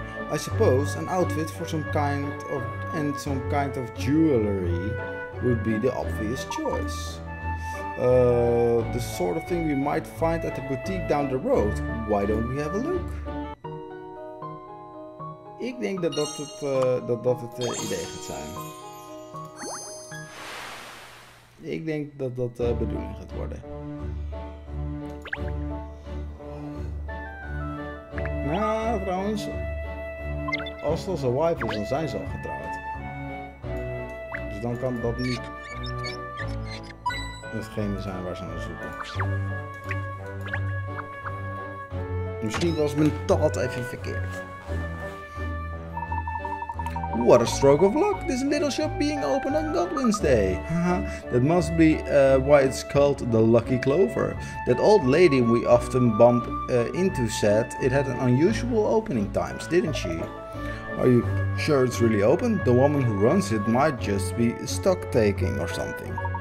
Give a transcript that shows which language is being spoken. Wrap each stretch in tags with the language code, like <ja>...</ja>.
<en>I suppose an outfit for some kind of jewelry would be the obvious choice. The sort of thing we might find at the boutique down the road. Why don't we have a look?</en> <nl>Ik denk dat het idee gaat zijn. Ik denk dat dat de bedoeling gaat worden. Nou, trouwens. Als dat zijn wife is, dan zijn ze al getrouwd. Dus dan kan dat niet... hetgene zijn waar ze aan zoeken. Misschien was mijn taal even verkeerd.</nl> <en>What a stroke of luck! This little shop being open on Godwin's Day! That must be why it's called the Lucky Clover. That old lady we often bump into said it had an unusual opening times, didn't she? Are you sure it's really open? The woman who runs it might just be stock taking or something.</en>